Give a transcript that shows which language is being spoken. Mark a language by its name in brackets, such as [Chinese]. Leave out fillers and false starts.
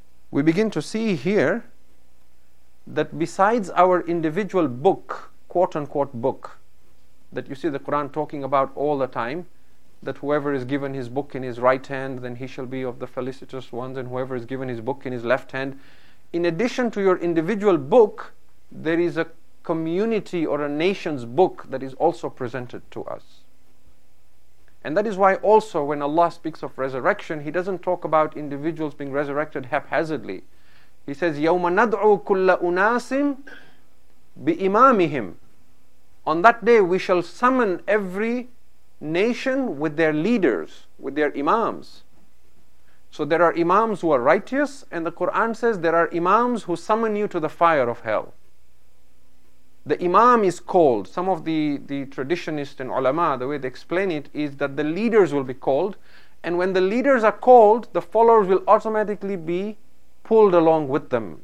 [English] We begin to see here that besides our individual book, quote-unquote book, that you see the Quran talking about all the time, that whoever is given his book in his right hand, then he shall be of the felicitous ones, and whoever is given his book in his left hand. In addition to your individual book, there is a community or a nation's book that is also presented to us. And that is why also when Allah speaks of resurrection, he doesn't talk about individuals being resurrected haphazardly. He says, [Arabic] يَوْمَ نَدْعُوا كُلَّ أُنَاسٍ بِإِمَامِهِمْ. [English] On that day we shall summon every nation with their leaders, with their imams. So there are imams who are righteous, and the Quran says there are imams who summon you to the fire of hell. The imam is called. Some of the traditionists and ulama, the way they explain it is that the leaders will be called, and when the leaders are called, the followers will automatically be pulled along with them.